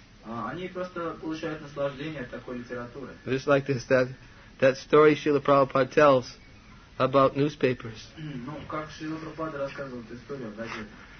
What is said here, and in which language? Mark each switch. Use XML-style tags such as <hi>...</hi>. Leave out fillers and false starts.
<ru>Они просто получают наслаждение от такой литературы.</ru> <en>Just like this, that story Srila Prabhupada tells about newspapers.</en> <ru>Ну, как Шрила Прабхупада рассказывал эту историю о газетах.</ru>